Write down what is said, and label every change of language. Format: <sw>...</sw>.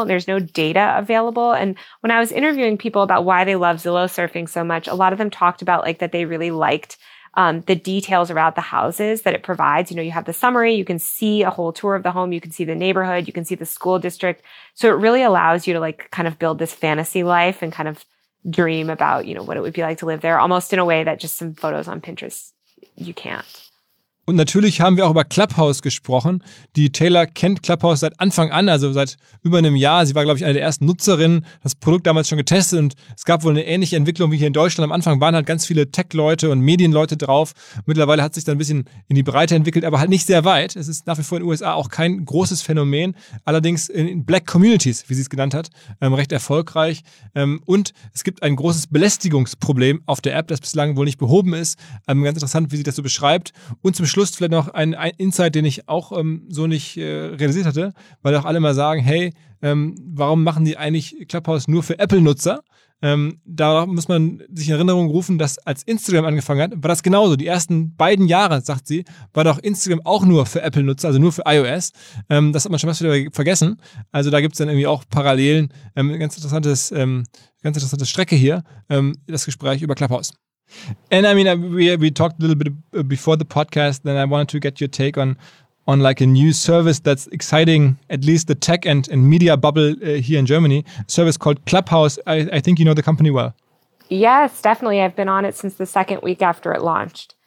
<en>And there's no data available. And when I was interviewing people about why they love Zillow surfing so much, a lot of them talked about that they really liked the details around the houses that it provides. You know, you have the summary, you can see a whole tour of the home, you can see the neighborhood, you can see the school district. So it really allows you to kind of build this fantasy life and kind of dream about, you know, what it would be like to live there, almost in a way that just some photos on Pinterest, you can't.</en> <de>Und natürlich haben wir auch über Clubhouse gesprochen. Die Taylor kennt Clubhouse seit Anfang an, also seit über einem Jahr. Sie war, glaube ich, eine der ersten Nutzerinnen, das Produkt damals schon getestet. Und es gab wohl eine ähnliche Entwicklung wie hier in Deutschland. Am Anfang waren halt ganz viele Tech-Leute und Medienleute drauf. Mittlerweile hat sich da ein bisschen in die Breite entwickelt, aber halt nicht sehr weit. Es ist nach wie vor in den USA auch kein großes Phänomen. Allerdings in Black Communities, wie sie es genannt hat, recht erfolgreich. Und es gibt ein großes Belästigungsproblem auf der App, das bislang wohl nicht behoben ist. Ganz interessant, wie sie das so beschreibt. Und zum Schluss vielleicht noch ein Insight, den ich auch so nicht realisiert hatte, weil auch alle mal sagen, hey, warum machen die eigentlich Clubhouse nur für Apple-Nutzer? Darauf muss man sich in Erinnerung rufen, dass als Instagram angefangen hat, war das genauso. Die ersten beiden Jahre, sagt sie, war doch Instagram auch nur für Apple-Nutzer, also nur für iOS. Das hat man schon fast wieder vergessen. Also da gibt es dann irgendwie auch Parallelen. Ganz interessantes Strecke hier, das Gespräch über Clubhouse.</de> <en>And I mean, we talked a little bit before the podcast, then I wanted to get your take on like a new service that's exciting, at least the tech and media bubble here in Germany, a service called Clubhouse. I think you know the company well. Yes, definitely. I've been on it since the second week after it launched.</en>